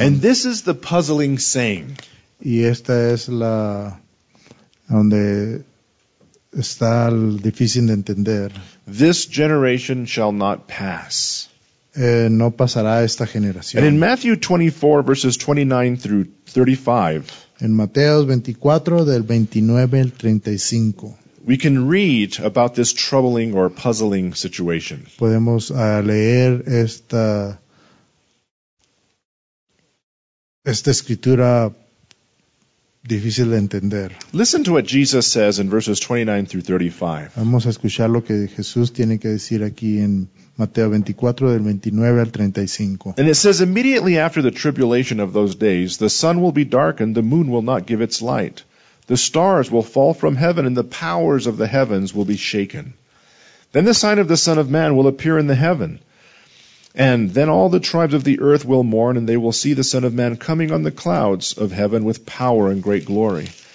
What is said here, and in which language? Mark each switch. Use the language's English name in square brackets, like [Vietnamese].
[English] And this is the puzzling saying. [Spanish] Y esta es la donde está el difícil de entender. [English] This generation shall not pass. [Spanish] No pasará esta generación. [English] And in Matthew 24, verses 29 through 35. [Spanish] En Mateo 24, del 29 al 35. [English] We can read about this troubling or puzzling situation. [Spanish] Podemos leer esta escritura difícil de entender. [English] Listen to what Jesus says in verses 29 through 35. [Spanish] Vamos a escuchar lo que Jesús tiene que decir aquí en Mateo 24, del 29 al 35. [English] And it says, immediately after the tribulation of those days, the sun will be darkened, the moon will not give its light. The stars will fall from heaven and the powers of the heavens will be shaken. Then the sign of the Son of Man will appear in the heaven. And then all the tribes of the earth will mourn and they will see the Son of Man coming on the clouds of heaven with power and great glory.